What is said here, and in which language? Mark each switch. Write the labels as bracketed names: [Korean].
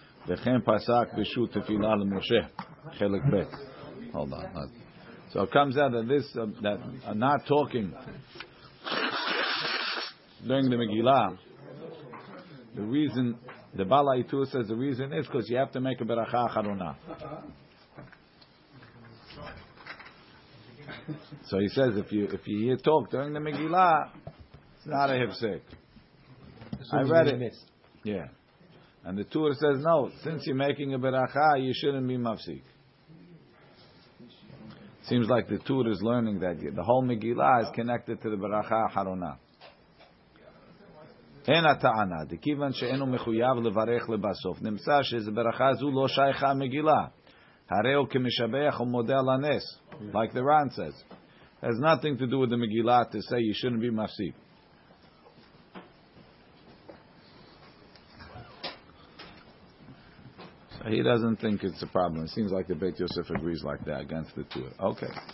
[Hebrew] וכן פסק בשוט תפילה למשה, חלק ב'. [English] Hold on. So it comes out that this, that not talking during the Megillah, the reason, the Bala Itur says the reason is because you have to make a beracha acharonah. So he says if you hear talk during the Megillah, it's not a hefsek. I read it. Yeah. And the tour says, no, since you're making a beracha, you shouldn't be mafsik. Seems like the tour is learning that the whole Megillah is connected to the beracha haronah. [Hebrew] אין הטענה, דכיוון שאינו מחויב לברך לבסוף, נמצא שזה ברכה זו לא שייכה מגילה. הרי הוא כמשבח ומודה על הנס, [English] like the Ran says. Has nothing to do with the Megillah to say you shouldn't be מפסיק. He doesn't think it's a problem. It seems like the Beit Yosef agrees like that against the two. Okay.